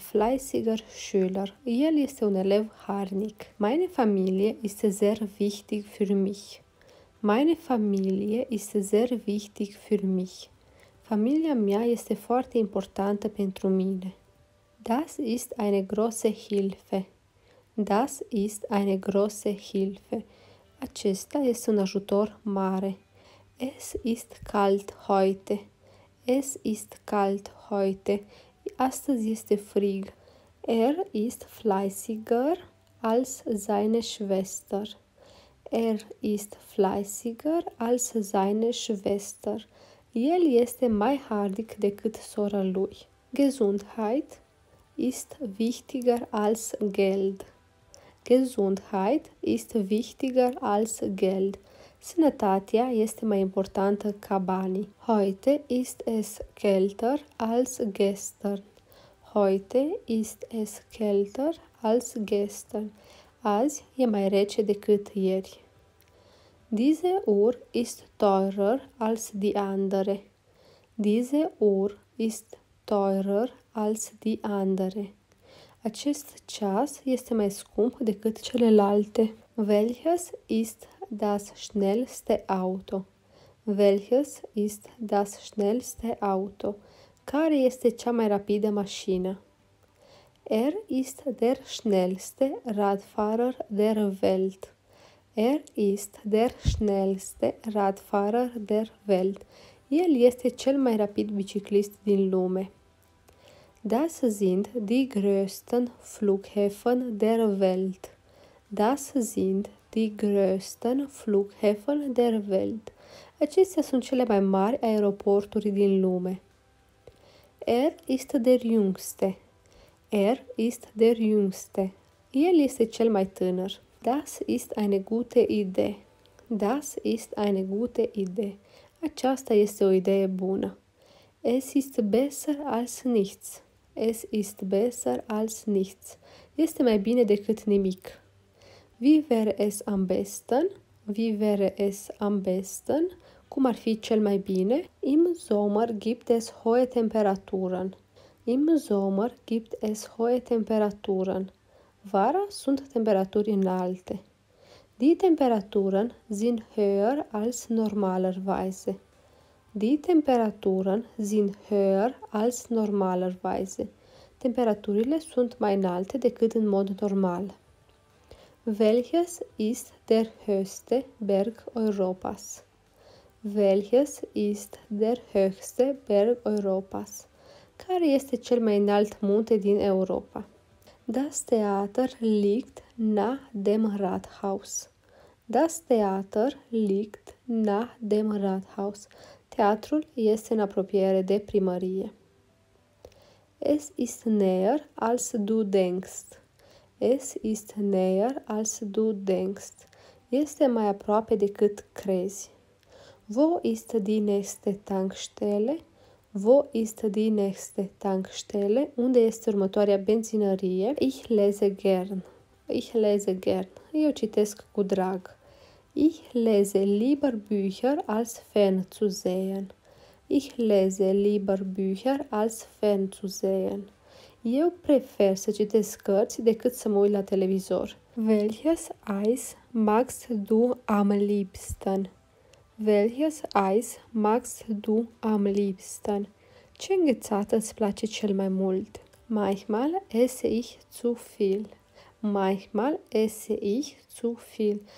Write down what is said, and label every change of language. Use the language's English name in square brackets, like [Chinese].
[German] Er ist ein fleißiger Schüler. [Romanian] El este un elev harnic. [German] Meine Familie ist sehr wichtig für mich. [Romanian] Familia mea este foarte importantă pentru mine. [German] Das ist eine große Hilfe. Das ist eine große Hilfe. [Romanian] Acesta este un ajutor mare. [German] Es ist kalt heute. Es ist kalt heute. [Romanian] Astăzi este frig. [German] Ist fleißiger als seine Schwester. Ist fleißiger als seine Schwester. [Romanian] El este mai hardic decât sora lui. [German] Gesundheit ist wichtiger als Geld. Gesundheit ist wichtiger als Geld. [Romanian] Sănătatea este mai importantă ca banii. [German] Heute ist es kälter als gestern. Heute ist es kälter als gestern. [Romanian] Azi e mai rece decât ieri. [German] Diese Uhr ist teurer als die andere. Diese Uhr ist teurer als die andere. [Romanian] Acest ceas este mai scump decât celelalte. [German] Welches ist das schnellste Auto? Welches ist das schnellste Auto? [Romanian] Care este cea mai rapidă mașină? [German] Ist der schnellste Radfahrer der Welt. Ist der schnellste Radfahrer der Welt. [Romanian] El este cel mai rapid biciclist din lume. [German] Das sind die größten Flughäfen der Welt. Das sind die größten Flughäfen der Welt. [Romanian] Acestea sunt cele mai mari aeroporturi din lume. [German] Ist der jüngste. Ist der jüngste. [Romanian] El este cel mai tânăr. [German] Das ist eine gute Idee. Das ist eine gute Idee. [Romanian] Aceasta este o idee bună. [German] Es ist besser als nichts. Es ist besser als nichts. [Romanian] Este mai bine decât nimic. [German] Wie wäre es am besten? Wie wäre es am besten? [Romanian] Cum ar fi cel mai bine? [German] Im Sommer gibt es hohe Temperaturen. Im Sommer gibt es hohe Temperaturen. [Romanian] Vara sunt temperaturi înalte. [German] Die Temperaturen sind höher als normalerweise. Die Temperaturen sind höher als normalerweise. [Romanian] Temperaturile sunt mai înalte decât în mod normal. [German] Welches ist der höchste Berg Europas? Welches ist der höchste Berg Europas? [Romanian] Care este cel mai înalt munte din Europa? [German] Das Theater liegt nah dem Rathaus. Das Theater liegt nah dem Rathaus. [Romanian] Teatrul este în apropiere de primărie. [German] Es ist näher als du denkst. Es ist näher als du denkst. [Romanian] Este mai aproape decât crezi. [German] Wo ist die nächste Tankstelle? Wo ist die nächste Tankstelle? [Romanian] Unde este următoarea benzinărie? [German] Ich lese gern. Ich lese gern. [Romanian] Eu citesc cu drag. [German] Ich lese lieber Bücher als Fern zu sehen. Ich lese lieber Bücher als Fern zu sehen. [Romanian] Eu prefer să citesc cărți decât să mă uit la televizor. [German] Welches Eis magst du am liebsten? Welches Eis magst du am liebsten? [Romanian] Ce înghețată îți place cel mai mult? [German] Manchmal esse ich zu viel. Manchmal esse ich zu viel.